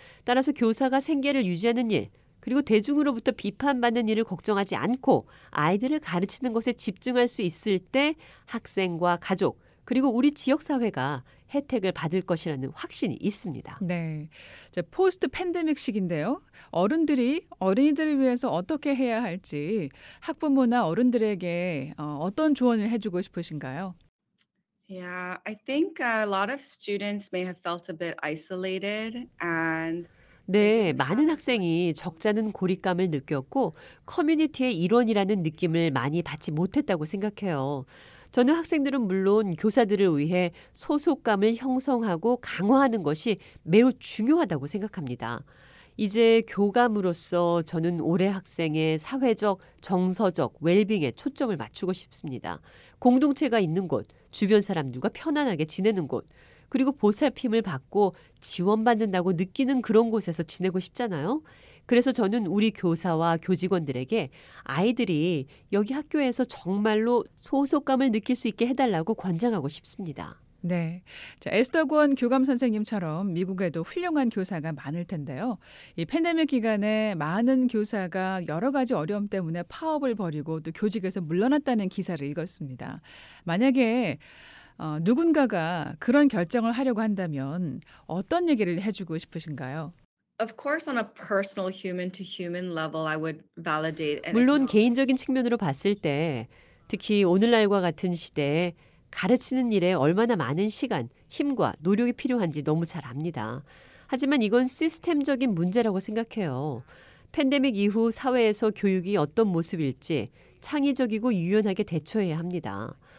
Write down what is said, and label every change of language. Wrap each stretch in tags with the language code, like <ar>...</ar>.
<ko>따라서 교사가 생계를 유지하는 일, 그리고 대중으로부터 비판받는 일을 걱정하지 않고 아이들을 가르치는 것에 집중할 수 있을 때 학생과 가족, 그리고 우리 지역사회가 혜택을 받을 것이라는 확신이 있습니다. 네. 이제 포스트 팬데믹 시기인데요. 어른들이 어린이들을 위해서 어떻게 해야 할지 학부모나 어른들에게 어떤 조언을 해주고 싶으신가요?</ko> <en>Yeah, I think a lot of students may have felt a bit isolated and</en> <ko>네, 많은 학생이 적잖은 고립감을 느꼈고 커뮤니티의 일원이라는 느낌을 많이 받지 못했다고 생각해요. 저는 학생들은 물론 교사들을 위해 소속감을 형성하고 강화하는 것이 매우 중요하다고 생각합니다. 이제 교감으로서 저는 올해 학생의 사회적, 정서적 웰빙에 초점을 맞추고 싶습니다. 공동체가 있는 곳, 주변 사람들과 편안하게 지내는 곳, 그리고 보살핌을 받고 지원받는다고 느끼는 그런 곳에서 지내고 싶잖아요. 그래서 저는 우리 교사와 교직원들에게 아이들이 여기 학교에서 정말로 소속감을 느낄 수 있게 해달라고 권장하고 싶습니다. 네. 자, 에스터 권 교감 선생님처럼 미국에도 훌륭한 교사가 많을 텐데요. 이 팬데믹 기간에 많은 교사가 여러 가지 어려움 때문에 파업을 벌이고 또 교직에서 물러났다는 기사를 읽었습니다. 만약에 누군가가 그런 결정을 하려고 한다면 어떤 얘기를 해주고 싶으신가요?</ko> <en>Of course, on a personal human-to-human level, I would validate.</en> <ko>물론 개인적인 측면으로 봤을 때, 특히 오늘날과 같은 시대에 가르치는 일에 얼마나 많은 시간, 힘과 노력이 필요한지 너무 잘 압니다. 하지만 이건 시스템적인 문제라고 생각해요. 팬데믹 이후 사회에서 교육이 어떤 모습일지 창의적이고 유연하게 대처해야 합니다.</ko>